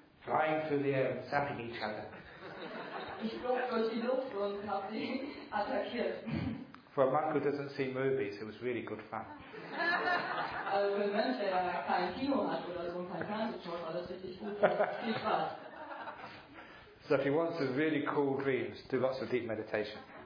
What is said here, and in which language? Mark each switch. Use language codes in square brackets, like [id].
[en] Flying through the air and zapping each other. [de] Ich flog durch die Luft und habe sie attackiert. [en] For a monk who doesn't see movies, it was really good fun. [de] Also für einen Mensch, der kein Kino hat oder so und kein Fernsehen schaut, alles richtig gut. Viel Spaß. [en] So if you want some really cool dreams, do lots of deep meditation.